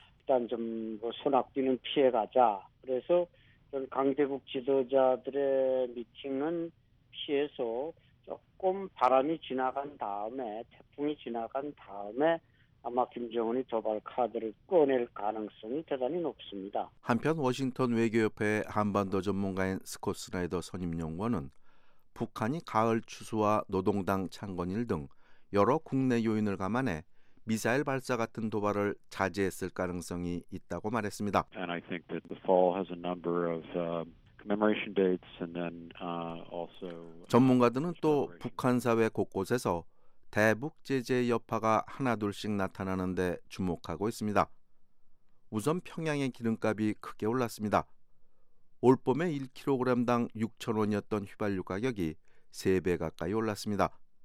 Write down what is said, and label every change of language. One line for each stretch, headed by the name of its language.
Korean: 일단 좀 뭐 손아귀는 피해가자. 그래서 강대국 지도자들의 미팅은 피해서 조금 바람이 지나간 다음에 태풍이 지나간 다음에 아마 김정은이 도발 카드를 꺼낼 가능성이 대단히 높습니다. 한편 워싱턴 외교협회 한반도 전문가인 스콧 스나이더 선임연구원은 북한이 가을 추수와 노동당 창건일 등 여러 국내 요인을 감안해 미사일 발사 같은 도발을 자제했을 가능성이 있다고 말했습니다.
English: And I think that the fall has a number of commemoration dates and then also
Korean: 전문가들은 또 북한 사회 곳곳에서 대북 제재 여파가 하나둘씩 나타나는데 주목하고 있습니다. 우선 평양의 기름값이 크게 올랐습니다. 올 봄에 1kg당 6,000원이었던 휘발유 가격이 3배 가까이 올랐습니다.